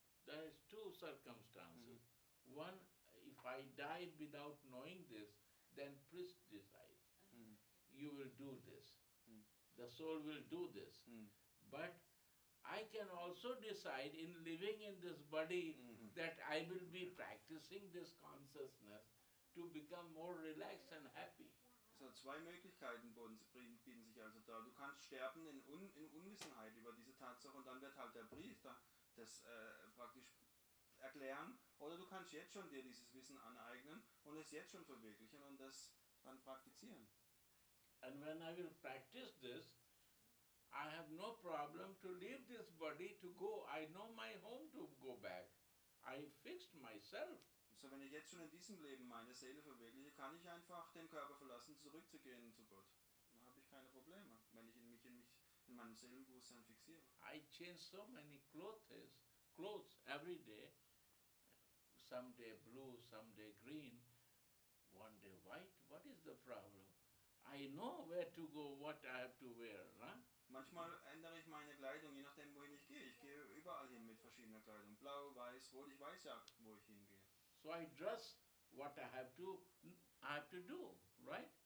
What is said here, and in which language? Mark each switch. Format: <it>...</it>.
<en>There is two circumstances. Mm-hmm. One, if I die without knowing this, then priest decides. Mm-hmm. You will do this. Mm-hmm. The soul will do this. Mm-hmm. But I can also decide in living in this body that I will be practicing this consciousness to become more relaxed and happy.</en> <de>So zwei Möglichkeiten bieten sich also da. Du kannst sterben in Unwissenheit über diese Tatsache und dann wird halt der Priester das praktisch erklären. Oder du kannst jetzt schon dir dieses Wissen aneignen und es jetzt schon verwirklichen und das dann praktizieren.</de> <en>And when I will practice this, I have no problem to leave this body to go. I know my home to go back. I fixed myself.</en> <de>So wenn ich jetzt schon in diesem Leben meine Seele verwirkliche, kann ich einfach den Körper verlassen, zurückzugehen zu Gott. Dann habe ich keine Probleme, wenn ich in meinem Seelenbewusstsein fixiere.</de> <en>I change so many clothes every day. Some day blue, some day green, one day white. What is the problem? I know where to go, what I have to wear, huh?</en> <de>Manchmal ändere ich meine Kleidung, je nachdem, wohin ich gehe. Ich gehe überall hin mit verschiedener Kleidung. Blau, weiß, rot, ich weiß ja, wo ich hingehe.</de> <en>So I dress what I have to do, right?</en>